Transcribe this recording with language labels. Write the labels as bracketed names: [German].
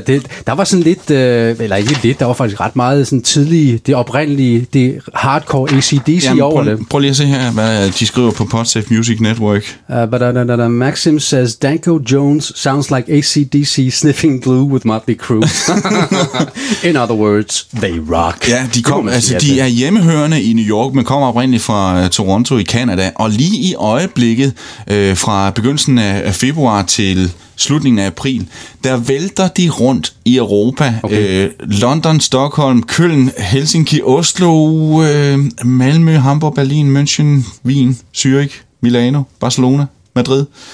[Danish] Det, der var sådan lidt, eller ikke lidt, der var faktisk ret meget sådan tidlige, det oprindelige, det hardcore AC/DC over det. Prøv lige at se her, hvad de skriver på Podsafe Music Network. [English] Maxim says, Danko Jones sounds like AC/DC sniffing glue with Motley Crue. In other words, they rock. [Danish] Ja, de, kom, altså, de er hjemmehørende i New York, men kommer oprindeligt fra Toronto i Canada. Og lige i øjeblikket, fra begyndelsen af februar til slutningen af april, der vælter de rundt i Europa. Okay. London, Stockholm, Köln, Helsinki, Oslo, Malmø, Hamburg, Berlin, München, Wien, Zürich, Milano, Barcelona, Madrid.